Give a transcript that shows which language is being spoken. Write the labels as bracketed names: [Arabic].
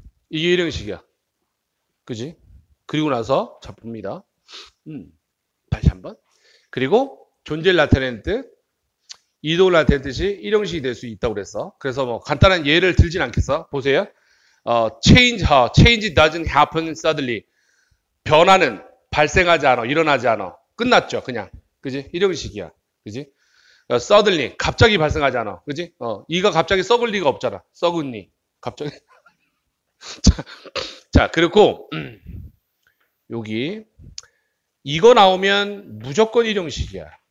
[Korean] 이게 1형식이야. 그지? 그리고 나서 잡힙니다. 다시 한번. 그리고 존재를 나타내는 뜻, 이동을 나타내는 뜻이 1형식이 될 수 있다고 그랬어. 그래서 뭐 간단한 예를 들진 않겠어. 보세요. [English] change doesn't happen suddenly. [Korean] 변화는 발생하지 않아, 일어나지 않아. 끝났죠, 그냥. 그지? 1형식이야. 그지? suddenly, 갑자기 발생하지 않아. 그지? 이가 갑자기 썩을 리가 없잖아. 썩은니. 갑자기. 자, 그리고, 여기. 이거 나오면 무조건 1형식이야.